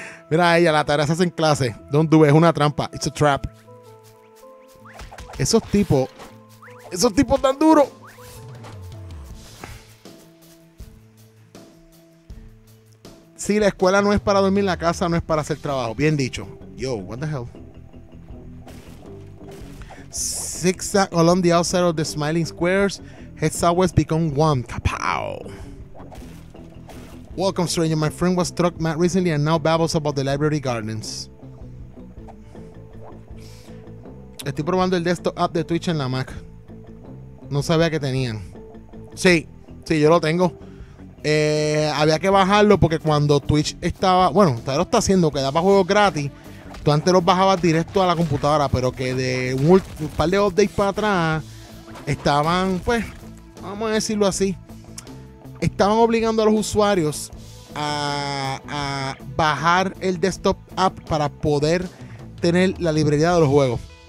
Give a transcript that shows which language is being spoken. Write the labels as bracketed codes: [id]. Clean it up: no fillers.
[es] Mira a ella, la tarea se hace en clase. [en] Don't do it, [es] es una trampa. [en] It's a trap. [es] Esos tipos tan duros. Si la escuela no es para dormir, la casa no es para hacer trabajo. Bien dicho. Yo, [en] what the hell? Zigzag along the outside of the smiling squares. Head southwest, become one. Kapow. Welcome, stranger. My friend was struck mad recently and now babbles about the library gardens. [es] Estoy probando el desktop app de Twitch en la Mac. No sabía que tenían. Sí, sí, yo lo tengo. Había que bajarlo porque cuando Twitch estaba... Bueno, todavía lo está haciendo, que daba juegos gratis. Tú antes los bajabas directo a la computadora, pero que de un par de updates para atrás estaban, pues, vamos a decirlo así, estaban obligando a los usuarios a bajar el desktop app para poder tener la librería de los juegos.